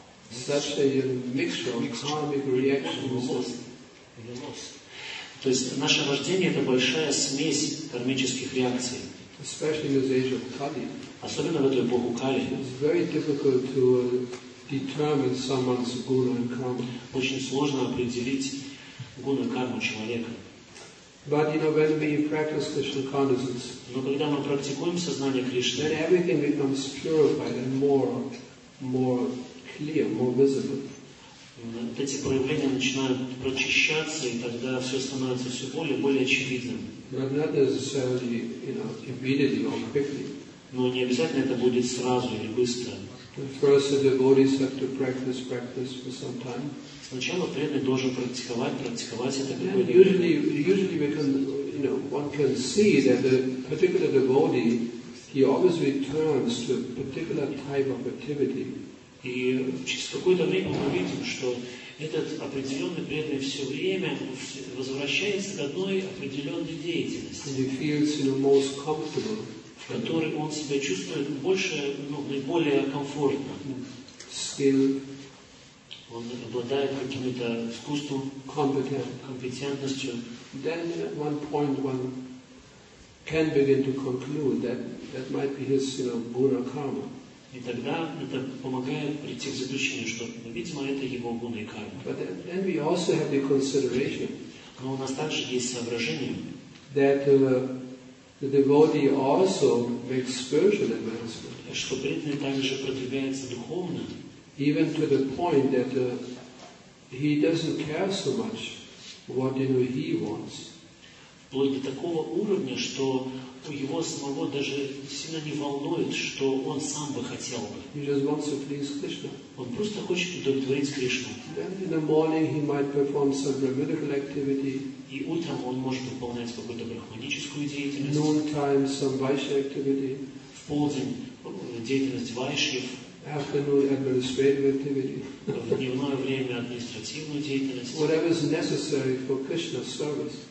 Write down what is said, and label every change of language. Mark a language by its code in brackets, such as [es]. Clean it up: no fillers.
[en] Such a mixture of karmic reactions. [ru] То есть наше рождение это большая смесь кармических реакций. [en] Especially in this age of Kali. [ru] Особенно в эту эпоху Кали. [en] It's very difficult to determine someone's guna and karma. [ru] Очень сложно определить гуну и карму человека. [en] But you know when we practice Krishna consciousness. [ru] Но когда мы практикуем сознание Кришны, [en] then everything becomes purified and more clear, more visible. [ru] Вот эти проявления начинают прочищаться, и тогда все становится все более очевидным. [en] But not necessarily, you know, immediately or quickly. [ru] Но не обязательно это будет сразу или быстро. [en] First, the devotees have to practice for some time. [ru] Сначала преданный должен практиковать это какое-то время. [en] Usually we can, you know, one can see that the particular devotee, he always returns to a particular type of activity. [ru] И через какое-то время мы видим, что этот определенный преданный все время возвращается к одной определенной деятельности. [en] And he feels, you know, most comfortable. [ru] В которой он себя чувствует больше, ну, наиболее комфортно. [en] Skill. [ru] Он обладает каким-то искусством, компетентностью. [en] Then at one point one can begin to conclude that might be his, you know, guna karma. [ru] И тогда это помогает прийти к заключению, что, видимо, это его гуна и карма. [en] But then we also have the consideration. [ru] Но у нас также есть соображение. [en] That the devotee also makes spiritual advancement. [ru] Что преданный также продвигается духовно. [en] Even to the point that he doesn't care so much what, you know, he wants. [ru] Вплоть до такого уровня, что у его самого даже сильно не волнует, что он сам бы хотел бы. [en] He just wants to please Krishna. [ru] Он просто хочет удовлетворить Кришну. [en] Then in the morning he might perform some brahminical activity. [ru] И утром он может выполнять какую-то брахманическую деятельность. [en] Noon time some vaishya activity. [ru] В полдень деятельность вайшьев. [en] Afternoon administrative activity. [ru] В дневное время административную деятельность. [en] Whatever is necessary for Krishna's service.